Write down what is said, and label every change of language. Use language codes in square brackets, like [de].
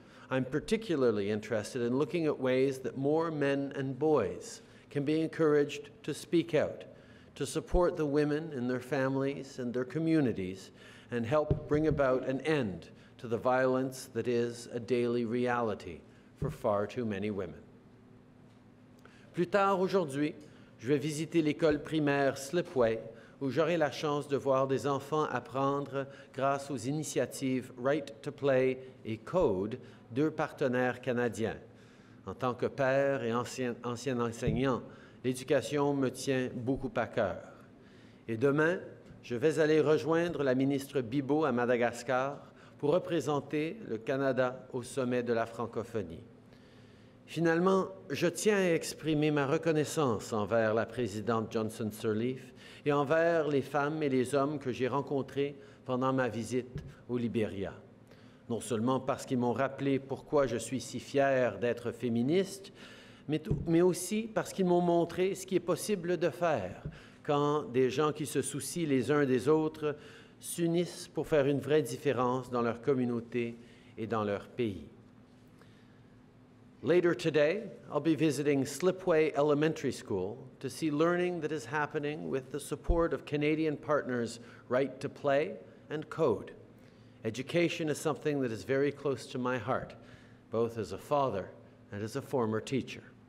[en] I'm particularly interested in looking at ways that more men and boys can be encouraged to speak out, to support the women in their families and their communities, and help bring about an end to the violence that is a daily reality for far too many women. [fr] Plus tard aujourd'hui, je vais visiter l'école primaire Slipway, où j'aurai la chance de voir des enfants apprendre grâce aux initiatives Right to Play et Code, deux partenaires canadiens. En tant que père et ancien enseignant, l'éducation me tient beaucoup à cœur. Et demain, je vais aller rejoindre la ministre Bibeau à Madagascar pour représenter le Canada au sommet de la francophonie. Finalement, je tiens à exprimer ma reconnaissance envers la présidente Johnson Sirleaf et envers les femmes et les hommes que j'ai rencontrés pendant ma visite au Liberia. Non seulement parce qu'ils m'ont rappelé pourquoi je suis si fière d'être féministe, mais aussi parce qu'ils m'ont montré ce qui est possible de faire quand des gens qui se soucient les uns des autres s'unissent pour faire une vraie différence dans leur communauté et dans leur pays. [en] Later today, I'll be visiting Slipway Elementary School to see learning that is happening with the support of Canadian partners Right to Play and Code. Education is something that is very close to my heart, both as a father and as a former teacher.